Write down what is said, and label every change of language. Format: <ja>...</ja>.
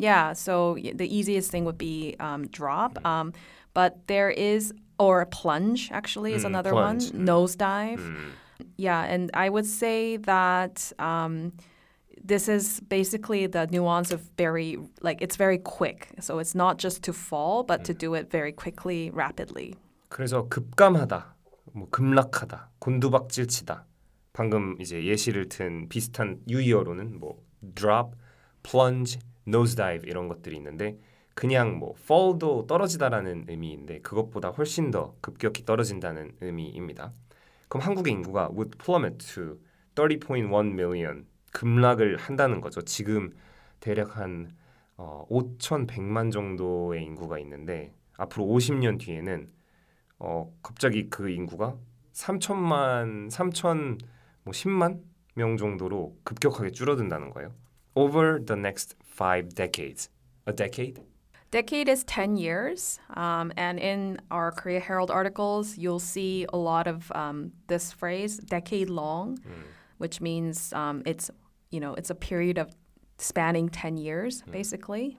<en>Yeah, so the easiest thing would be drop. But there is, or plunge actually is another plunge. One, nosedive. Yeah, and I would say that this is basically the nuance of it's very quick. So it's not just to fall, but to do it very quickly, rapidly.</en> <ko>그래서 급감하다, 뭐 급락하다, 곤두박질치다. 방금 이제 예시를 든 비슷한 유의어로는 뭐 drop, plunge, nosedive 이런 것들이 있는데 그냥 뭐 fall도 떨어지다라는 의미인데 그것보다 훨씬 더 급격히 떨어진다는 의미입니다. 그럼 한국의 인구가</ko> <en>would plummet to 30.1 million</en> <ko>급락을 한다는 거죠. 지금 대략 한 5,100만 정도의 인구가 있는데 앞으로 50년 뒤에는 갑자기 그 인구가 3,010만 명 정도로 급격하게 줄어든다는 거예요.</ko> <en>Over the next five decades. A decade? Decade is 10 years, and in our Korea Herald articles, you'll see a lot of this phrase, decade long, which means it's a period of spanning 10 years, basically.</en>